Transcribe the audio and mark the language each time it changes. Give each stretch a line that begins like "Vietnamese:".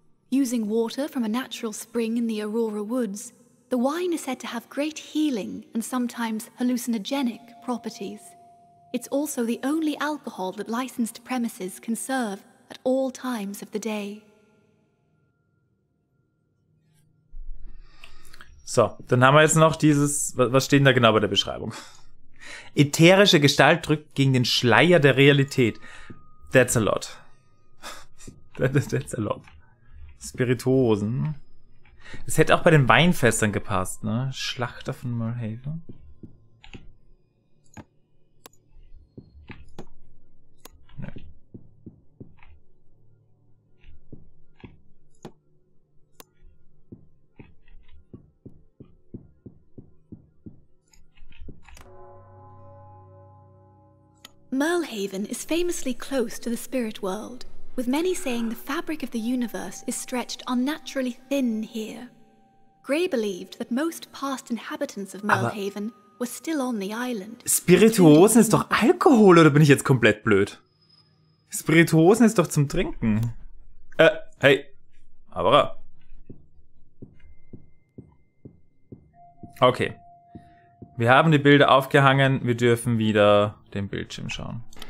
English: Using water from a natural spring in the Aurora Woods, the wine is said to have great healing and sometimes hallucinogenic properties. It's also the only alcohol that licensed premises can serve at all times of the day.
German: So, dann haben wir jetzt noch dieses, was steht da genau bei der Beschreibung? Ätherische Gestalt drückt gegen den Schleier der Realität.
English: That's a lot. That's a lot.
German: Spirituosen. Es hätte auch bei den Weinfestern gepasst, ne? Schlachter von Merlhaven. Nö.
English: Merlhaven is famously close to the spirit world, with many saying the fabric of the universe is stretched unnaturally thin here. Grey believed that most past inhabitants of Merlhaven were still on the island.
German: Spirituosen ist doch Alkohol, oder bin ich jetzt komplett blöd? Spirituosen ist doch zum Trinken. Hey. Aber. Okay. Wir haben die Bilder aufgehangen, wir dürfen wieder den Bildschirm schauen.